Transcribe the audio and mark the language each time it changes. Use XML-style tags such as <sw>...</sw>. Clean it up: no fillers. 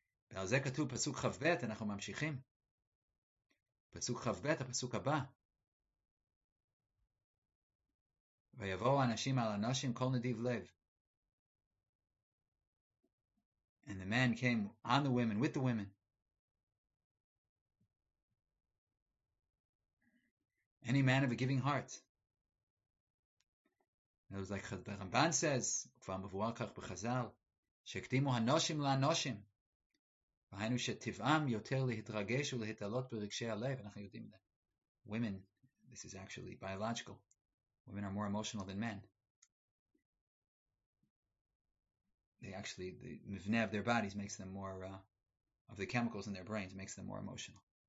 <he>ועל זה כתוב פסוק חב ב', אנחנו ממשיכים. פסוק חב ב', הפסוק הבא. ויבואו אנשים על אנשים כל נדיב לב.</he> <en>And the man came on the women, with the women. Any man of a giving heart. And it was like the Ramban says,</en> <he>כבר מבואר כך בחזל, שקדימו הנושים לאנושים. והיינו שטבעם יותר להתרגש ולהתעלות ברגשי הלב. אנחנו יודעים</he> <en>that women, this is actually biological, women are more emotional than men. They actually, the mivneh of their bodies makes them more, of the chemicals in their brains makes them more emotional.</en>